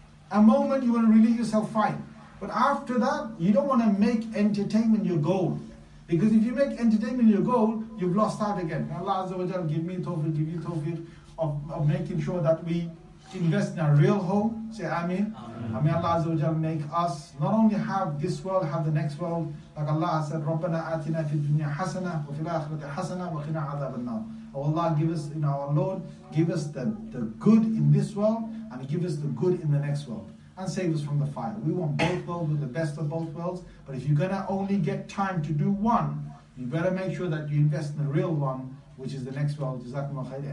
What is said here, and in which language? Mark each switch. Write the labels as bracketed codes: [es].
[en] A moment you want to relieve yourself, fine. But after that, you don't want to make entertainment your goal. Because if you make entertainment your goal, you've lost out again. Allah Azza wa Jal, give me tawfiq of making sure that we invest in a real home. Say Ameen. Ameen. Allah Azza wa Jal, make us not only have this world, have the next world. Like Allah has said, [ar] رَبَّنَا آتِنَا فِي الدُّنْيَا حَسَنَةً وَفِي الْآخِرَةِ حَسَنَةً وَقِنَا عَذَابَ النَّارِ. [en] Oh Allah, give us, in our Lord, give us the good in this world and give us the good in the next world. And save us from the fire. We want both worlds with the best of both worlds. But if you're going to only get time to do one, you better make sure that you invest in the real one, which is the next world. Jazakumullah khair.